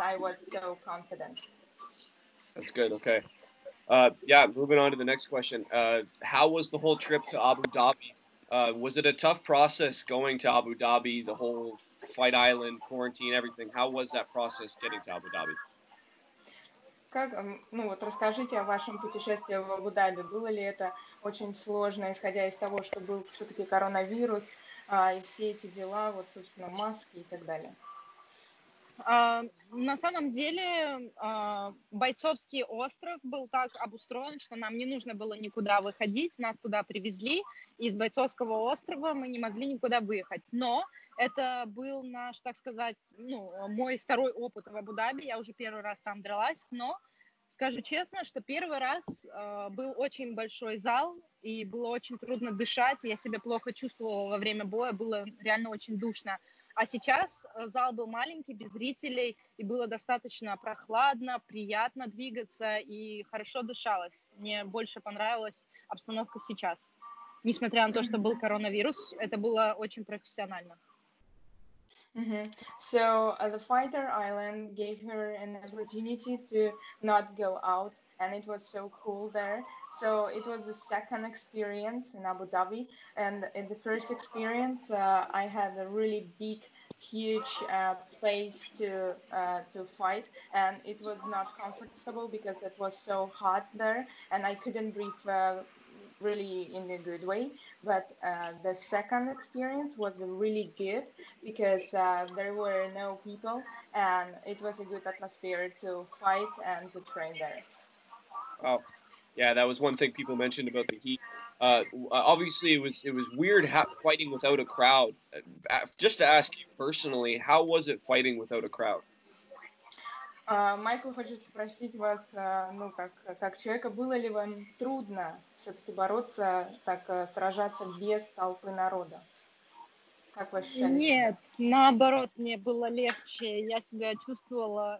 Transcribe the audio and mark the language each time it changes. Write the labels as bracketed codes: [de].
[en] I was so confident. That's good. Okay. Yeah, moving on to the next question. How was the whole trip to Abu Dhabi? Was it a tough process going to Abu Dhabi, the whole Fight Island, quarantine, everything? How was that process getting to Abu Dhabi? [ru] Как, ну вот расскажите о вашем путешествии в Абу-Даби. Было ли это очень сложно, исходя из того, что был все-таки коронавирус, и все эти дела, вот, собственно, маски и так далее? На самом деле, бойцовский остров был так обустроен, что нам не нужно было никуда выходить. Нас туда привезли, из бойцовского острова мы не могли никуда выехать. Но это был наш, так сказать, ну, мой второй опыт в Абу-Даби. Я уже первый раз там дралась. Но скажу честно, что первый раз был очень большой зал, и было очень трудно дышать. Я себя плохо чувствовала во время боя, было реально очень душно. А сейчас зал был маленький, без зрителей, и было достаточно прохладно, приятно двигаться и хорошо дышалось. Мне больше понравилась обстановка сейчас. Несмотря на то, что был коронавирус, это было очень профессионально. Mm-hmm. [en] So, the Fighter Island gave her an opportunity to not go out, and it was so cool there. So, it was the second experience in Abu Dhabi, and in the first experience, I had a really big, huge place to fight, and it was not comfortable because it was so hot there, and I couldn't breathe really in a good way, but the second experience was really good because there were no people and it was a good atmosphere to fight and to train there. Oh, yeah, that was one thing people mentioned about the heat. Obviously, it was weird fighting without a crowd. Just to ask you personally, how was it fighting without a crowd? [ru] Майкл хочет спросить вас, ну, как человека, было ли вам трудно все-таки бороться, так сражаться без толпы народа? Как вы ощущали? Нет, наоборот, мне было легче. Я себя чувствовала...